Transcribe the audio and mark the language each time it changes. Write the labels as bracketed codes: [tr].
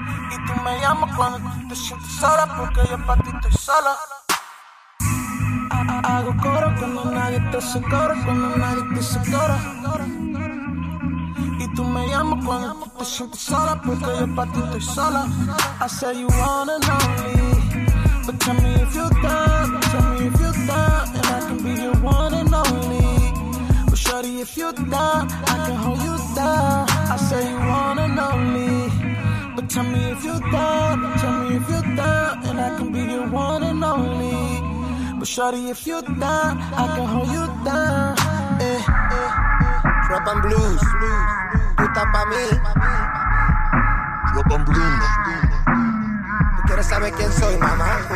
[es] Y tú me llamas cuando te sientes sola, porque yo pa' ti estoy sola. Hago coro cuando nadie te se cora, cuando nadie te se cora. Y tú me llamas cuando te sientes sola, porque yo pa' ti estoy sola. [en] I say you wanna know me, but tell me if you're down, tell me if you're down, and I can be your one and only. Shorty, if you're down, I can hold you down. I say you wanna know me, but tell me if you're down, tell me if you're down, and I can be your one and only. But shorty, if you're down, I can hold you down. Rap and blues, [es] tú estás pa' mí. [en] Rap and blues, [es] tú quieres saber quién soy, mamá.